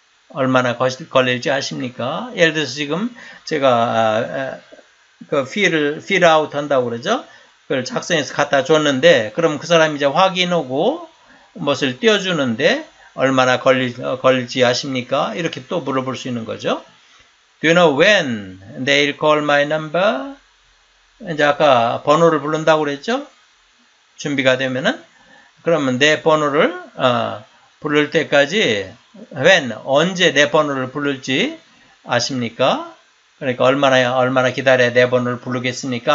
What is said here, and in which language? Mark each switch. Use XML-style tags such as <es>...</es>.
<ko>얼마나 걸릴지 아십니까? 예를 들어서 지금 제가 그 fill out 한다고 그러죠? 그걸 작성해서 갖다 줬는데, 그럼 그 사람이 이제 확인 오고, 무엇을 띄워주는데, 얼마나 걸릴지 아십니까? 이렇게 또 물어볼 수 있는 거죠.</ko> <en>Do you know when they'll call my number?</en> <ko>이제 아까 번호를 부른다고 그랬죠? 준비가 되면은, 그러면 내 번호를, 부를 때까지, when, 언제 내 번호를 부를지 아십니까? 그러니까 얼마나 기다려야 내 번호를 부르겠습니까?</ko>